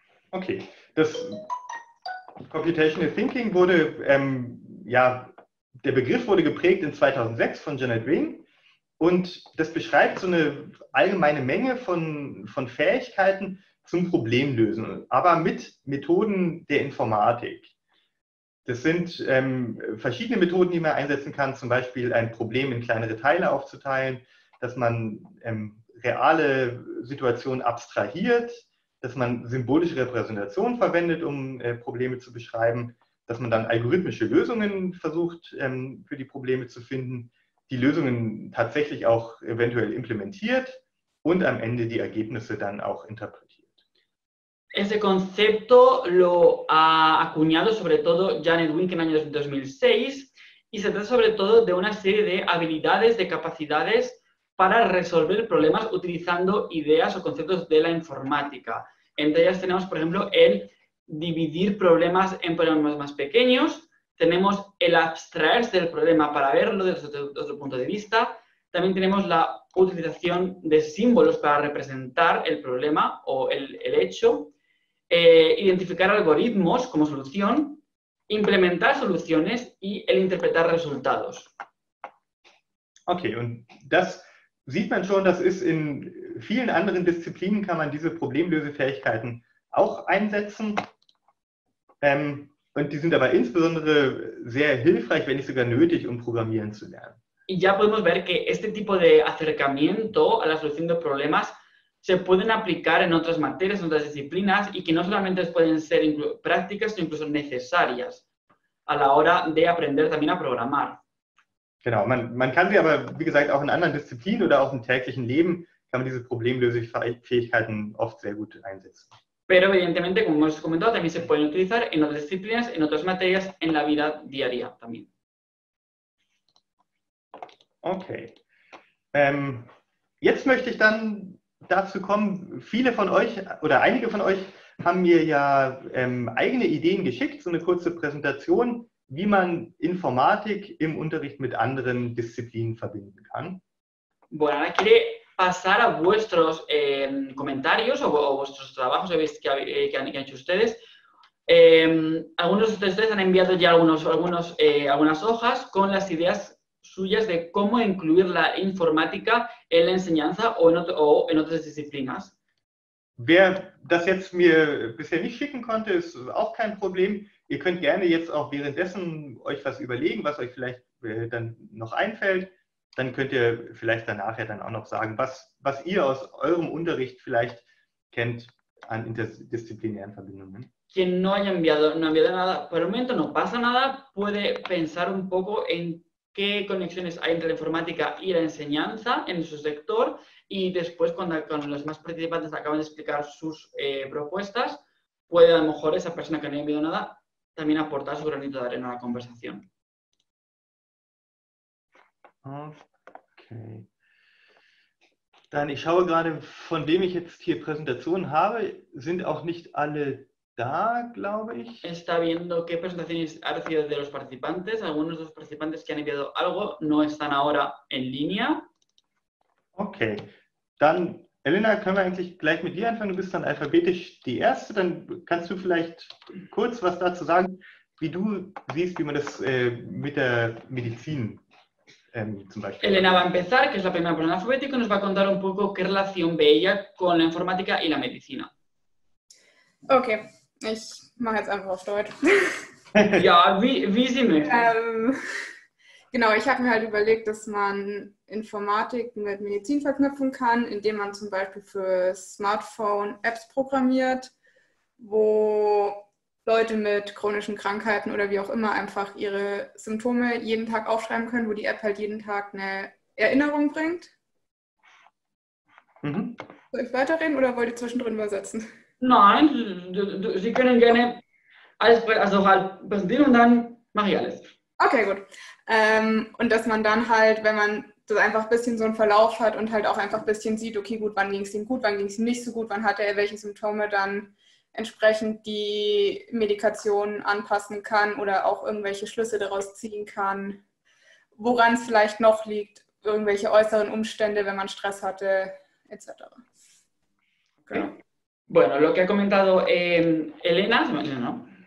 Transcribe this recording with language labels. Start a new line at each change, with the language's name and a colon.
German: Okay, das Computational Thinking wurde, der Begriff wurde geprägt in 2006 von Janet Wing und das beschreibt so eine allgemeine Menge von Fähigkeiten zum Problemlösen, aber mit Methoden der Informatik. Das sind verschiedene Methoden, die man einsetzen kann, zum Beispiel ein Problem in kleinere Teile aufzuteilen, dass man reale Situationen abstrahiert, dass man symbolische Repräsentationen verwendet, um Probleme zu beschreiben, dass man dann algorithmische Lösungen versucht, für die Probleme zu finden, die Lösungen tatsächlich auch eventuell implementiert und am Ende die Ergebnisse dann auch interpretiert.
Spanish: Ese concepto lo ha acuñado sobre todo Janet Wink en el año 2006 y se trata sobre todo de una serie de habilidades, de capacidades para resolver problemas utilizando ideas o conceptos de la informática. Entre ellas tenemos, por ejemplo, el dividir problemas en problemas más pequeños, tenemos el abstraerse del problema para verlo desde otro punto de vista, también tenemos la utilización de símbolos para representar el problema o el hecho, identificar algoritmos como solución, implementar soluciones y el interpretar resultados.
German: Ok, y das sieht man schon, das ist in vielen anderen Disziplinen kann man diese Problemlösefähigkeiten auch einsetzen. Und die sind aber insbesondere sehr hilfreich, wenn nicht sogar nötig, um Programmieren zu lernen.
Spanish: Ya podemos ver que este tipo de acercamiento a la solución de problemas se pueden aplicar en otras materias, en otras disciplinas, y que no solamente pueden ser prácticas, sino incluso necesarias a la hora de aprender también a programar.
German: Genau, man kann sie aber, wie gesagt, auch in anderen Disziplinen oder auch im täglichen Leben kann man diese Problemlösefähigkeiten oft sehr gut einsetzen.
Spanish: Pero evidentemente, como hemos comentado, también se pueden utilizar en otras disciplinas, en otras materias, en la vida diaria también. Ok.
German: Jetzt möchte ich dann dazu kommen, viele von euch oder einige von euch haben mir ja eigene Ideen geschickt, so eine kurze Präsentation, wie man Informatik im Unterricht mit anderen Disziplinen verbinden kann.
Spanish: Bueno, ahora quiere pasar a vuestros comentarios o vuestros trabajos que han hecho ustedes. Algunos de ustedes han enviado ya algunas hojas con las ideas suyas de cómo incluir la informática en la enseñanza o en otras disciplinas.
German: Wer das jetzt mir bisher nicht schicken konnte, ist auch kein Problem. Ihr könnt gerne jetzt auch währenddessen euch was überlegen, was euch vielleicht dann noch einfällt. Dann könnt ihr vielleicht danach ja dann auch noch sagen, was ihr aus eurem Unterricht vielleicht kennt an interdisziplinären Verbindungen.
Spanish: Quien no ha enviado nada, por el momento no pasa nada, puede pensar un poco en qué conexiones hay entre la informática y la enseñanza en su sector y después cuando los más participantes acaban de explicar sus propuestas, puede a lo mejor esa persona que no ha enviado nada también aportar su granito de arena a la conversación. Okay.
German: Dann ich schaue gerade, von wem ich jetzt hier Präsentationen habe, sind auch nicht alle da, glaube ich.
Spanish: Está viendo qué presentaciones ha recibido de los participantes. Algunos de los participantes que han enviado algo no están ahora en línea. Okay.
German: Dann, Elena, können wir eigentlich gleich mit dir anfangen. Du bist dann alphabetisch die Erste. Dann kannst du vielleicht kurz was dazu sagen, wie du siehst, wie man das mit der Medizin
Spanish: Elena va a empezar, que es la primera persona alfabética, y nos va a contar un poco qué relación ve ella con la informática y la medicina.
German: Ok, ich mache jetzt einfach auf Deutsch. Ja, wie sie möchte. Genau, ich habe mir halt überlegt, dass man Informatik mit Medizin verknüpfen kann, indem man zum Beispiel für Smartphone Apps programmiert, wo Leute mit chronischen Krankheiten oder wie auch immer einfach ihre Symptome jeden Tag aufschreiben können, wo die App halt jeden Tag eine Erinnerung bringt. Mhm. Soll ich weiterreden oder wollt ihr zwischendrin übersetzen? Nein, Sie können gerne alles präsentieren und dann mache ich alles. Okay, gut. Und dass man dann halt, wenn man das einfach ein bisschen so einen Verlauf hat und halt auch einfach ein bisschen sieht, okay, gut, wann ging es ihm gut, wann ging es ihm nicht so gut, wann hatte er welche Symptome, dann entsprechend die Medikation anpassen kann oder auch irgendwelche Schlüsse daraus ziehen kann, woran es vielleicht noch liegt, irgendwelche äußeren Umstände, wenn man Stress hatte, etc. Genau.
Spanish: Bueno, lo que ha comentado Elena, ¿no?